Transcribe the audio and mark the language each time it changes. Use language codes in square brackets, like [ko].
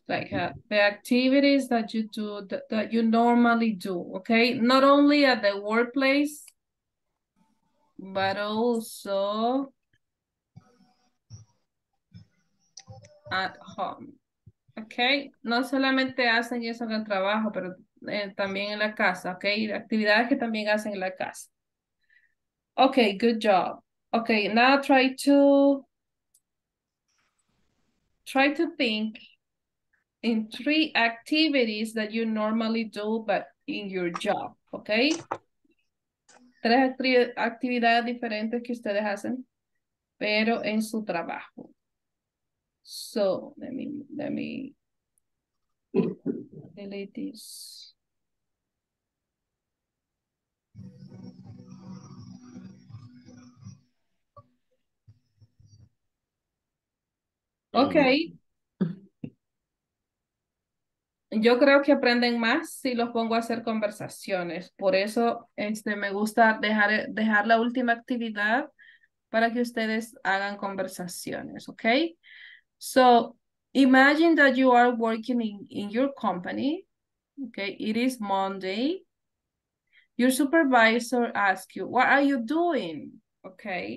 [en] Like the activities that you do, that you normally do, okay? Not only at the workplace, but also at home, okay? [es] No solamente hacen eso en el trabajo, pero también en la casa, okay? Actividades que también hacen en la casa. [en] Okay, good job. Okay, now try to... Try to think in three activities that you normally do, but in your job, okay? [es] Tres actividades diferentes que ustedes hacen, pero en su trabajo. [en] So, let me delete this. Ok. [es] Yo creo que aprenden más si los pongo a hacer conversaciones. Por eso me gusta dejar la última actividad para que ustedes hagan conversaciones. Ok. [en] So, imagine that you are working in your company. Ok. It is Monday. Your supervisor asks you, what are you doing? Ok.